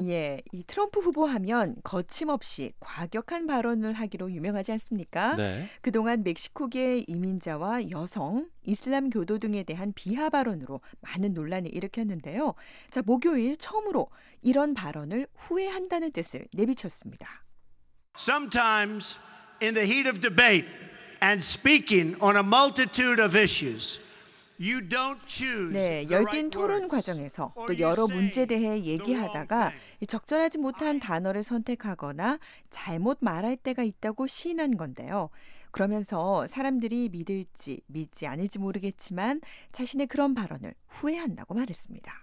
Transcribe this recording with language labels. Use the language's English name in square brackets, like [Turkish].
[Korean] 예, 이 트럼프 후보 하면 거침없이 과격한 발언을 하기로 유명하지 않습니까? 네. 그동안 멕시코계 이민자와 여성, 이슬람교도 등에 대한 비하 발언으로 많은 논란을 일으켰는데요. 자, 목요일 처음으로 이런 발언을 후회한다는 뜻을 내비쳤습니다. [English] Sometimes in the heat of debate and speaking on a multitude of issues, you don't choose. [Korean] 네, 열띤 토론 과정에서 또 여러 문제에 대해 얘기하다가 적절하지 못한 단어를 선택하거나 잘못 말할 때가 있다고 시인한 건데요. 그러면서 사람들이 믿을지 믿지 않을지 모르겠지만 자신의 그런 발언을 후회한다고 말했습니다.